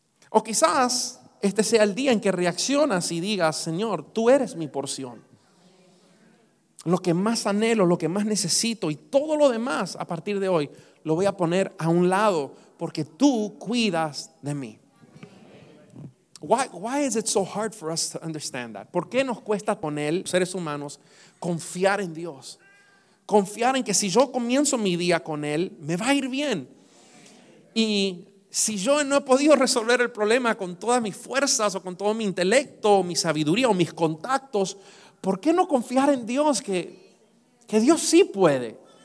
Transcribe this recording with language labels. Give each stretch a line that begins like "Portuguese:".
Spanish: O quizás este sea el día en que reaccionas y digas, Señor, tú eres mi porción. Lo que más anhelo, lo que más necesito y todo lo demás a partir de hoy lo voy a poner a un lado porque tú cuidas de mí.
English: Why is it so hard for us to understand that?
Spanish: ¿Por qué nos cuesta poner, seres humanos, confiar en Dios? Confiar en que si yo comienzo mi día con Él, me va a ir bien. Y si yo no he podido resolver el problema con todas mis fuerzas o con todo mi intelecto o mi sabiduría o mis contactos, ¿por qué no confiar en Dios que Dios sí puede?